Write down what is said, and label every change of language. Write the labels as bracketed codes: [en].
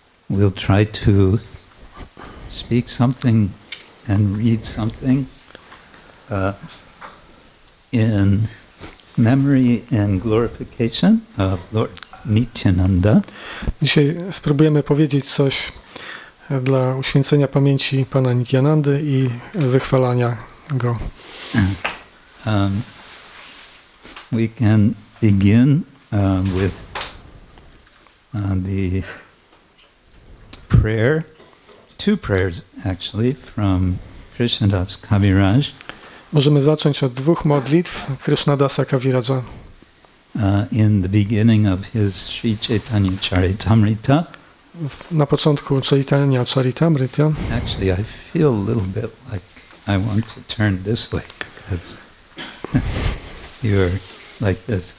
[en] We'll try to speak something and read something in memory and glorification of Lord Nityananda. [pl] Dzisiaj spróbujemy powiedzieć coś dla uświęcenia pamięci Pana Nityanandy i wychwalania Go. [en] We can begin with the prayer, two prayers actually, from Krishnadas Kaviraj. [pl] Możemy zacząć od dwóch modlitw Krishnadasa Kaviraja. [en] In the beginning of his Sri Chaitanya Charitamrita. [pl] Na początku Chaitanya Charitamrita. [en] Actually, I feel a little bit like I want to turn this way because you're like this.